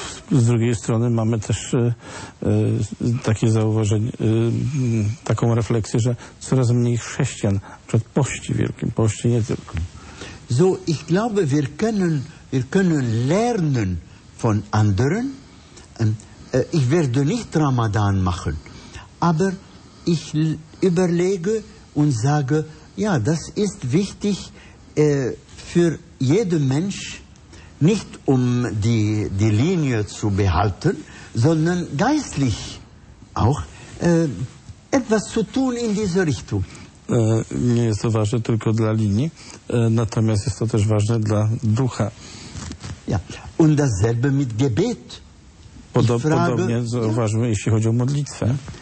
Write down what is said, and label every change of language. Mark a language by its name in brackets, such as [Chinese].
[Polish] Z drugiej strony mamy też takie zauważenie, taką refleksję, że coraz mniej chrześcijan, przed pości wielkim, pości nie tylko. [German] So, ich glaube, wir können lernen von anderen. Ich werde nicht Ramadan machen, aber ich überlege und sage, ja, das ist wichtig für jeden Mensch, nicht um die Linie zu behalten, sondern geistlich auch etwas zu tun in diese Richtung. [Polish] Nie jest to ważne tylko dla linii, natomiast jest to też ważne dla ducha. [German] Ja, und dasselbe mit Gebet. [Polish] Podobnie zauważmy, jeśli chodzi o modlitwę.